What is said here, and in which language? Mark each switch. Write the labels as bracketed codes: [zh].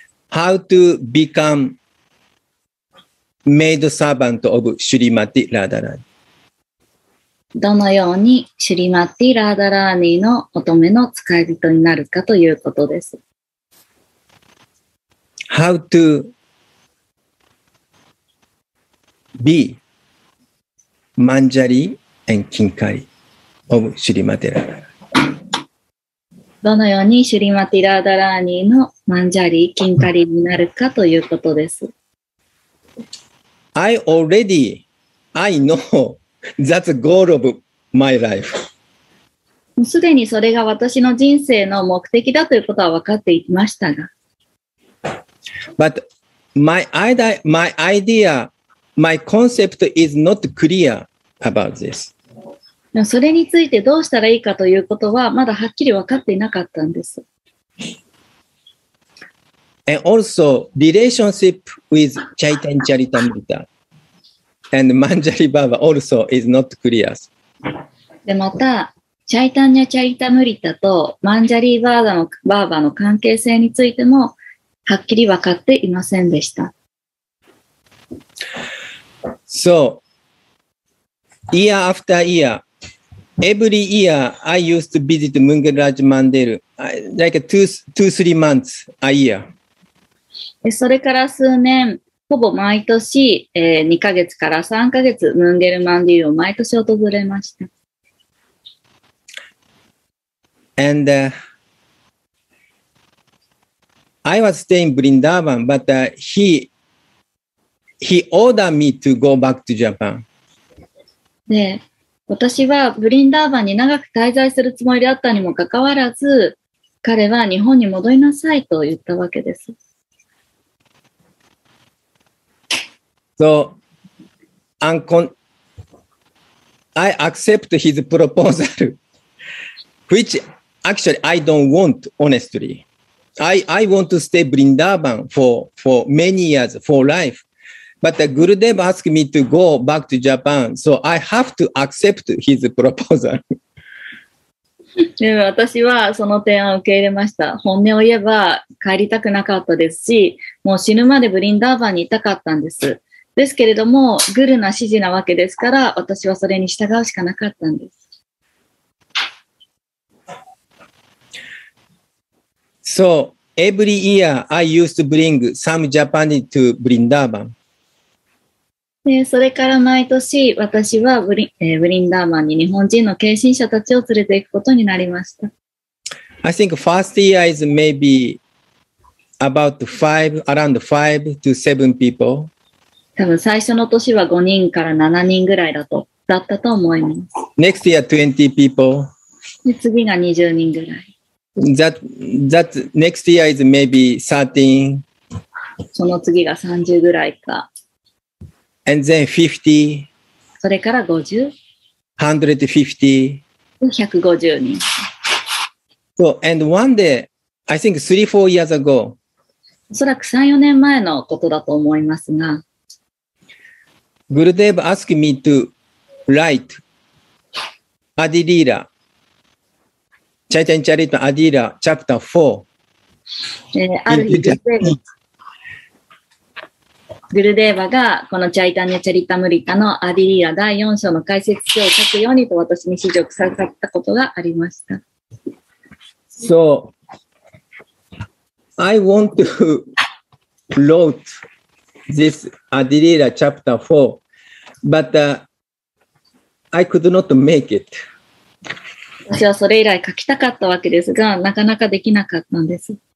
[en] How to become maid servant of Shrimati Radharani? [ja] どのようにシュリマティ・ラーダラーニの乙女の使い人になるかということです。 [en] How to be Manjari and Kinkari of Shrimati Radharani. [ja] どのようにシュリマティ・ラーダラーニのマンジャリ・キンカリになるかということです。 [en] I know that's goal of my life. [ja] すでにそれが私の人生の目的だということは分かっていましたが、 [en] But my idea, my concept is not clear about this. [ja] それについてどうしたらいいかということはまだはっきり分かっていなかったんです。 [en] And also, relationship with Chaitanya Charitamrita and Manjari Baba also is not clear. [ja] でまた、Chaitanya Charitamrita と Manjari Baba の関係性についてもはっきり分かっていませんでした。 [en] So, year after year, every year I used to visit Mungiraj Mandir, like two, three months a year. [ja] それから数年、ほぼ毎年、2ヶ月から3ヶ月、ムンゲルマンディルを毎年訪れました。 [en] And,I was staying in Vrindavan, but he ordered me to go back to Japan. [ja] で、私はブリンダーバンに長く滞在するつもりだったにもかかわらず、彼は日本に戻りなさいと言ったわけです。 [en] So, I accept his proposal, which actually I don't want, honestly. I want to stay Vrindavan for many years, for life. But the Gurudev asked me to go back to Japan, so I have to accept his proposal. [ja] でも私はその提案を受け入れました。本音を言えば帰りたくなかったですし、もう死ぬまでVrindavanにいたかったんです。ですけれども、グルな指示なわけですから、私はそれに従うしかなかったんです。 [en] So, every year I used to bring some Japanese to Vrindavan. [ja] それから毎年私はVrindavanに日本人の献身者たちを連れて行くことになりました。 [en] I think first year is maybe about five to seven people. [ja] 多分最初の年は5人から7人ぐらいだったと思います。 [en] Next year 20 people. [ja] で次が20人ぐらい。 [en] That next year is maybe 13. [ja] その次が30ぐらいか。 [en] And then 50. [ja] それから50。 150人。 [en] So, and one day, I think 3-4 years ago. [ja] おそらく3、4年前のことだと思いますが。 [en] Gurudev asked me to write Adilila, Chaitanya Charita Adilila, chapter 4. [ja] グルデーバがこのチャイタンニャチャリタムリタのアディリラ第4章の解説書を書くようにと私に指示をさせたことがありました。 [en] So, I want to wrote this Adilila chapter 4, but、I could not make it. [ja] 私はそれ以来書きたかったわけですが、なかなかできなかったんです。